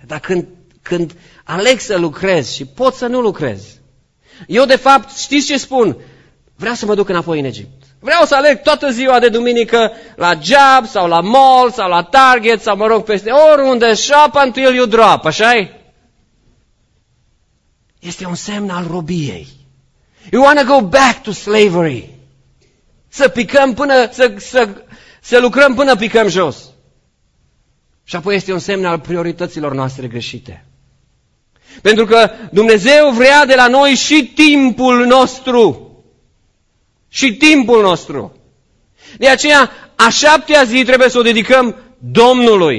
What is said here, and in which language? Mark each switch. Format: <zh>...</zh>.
<ro>Dar când aleg să lucrez și pot să nu lucrez, eu de fapt știți ce spun? Vreau să mă duc înapoi în Egipt. Vreau să aleg toată ziua de duminică la job sau la mall sau la Target sau mă rog peste oriunde,</ro> <en>shop until you drop,</en> <ro>așa-i? Este un semn al robiei.</ro> <en>You want to go back to slavery.</en> <ro>Să picăm până, să lucrăm până picăm jos. Și apoi este un semn al priorităților noastre greșite. Pentru că Dumnezeu vrea de la noi și timpul nostru. Și timpul nostru. De aceea, a 7-a zi trebuie să o dedicăm Domnului.</ro>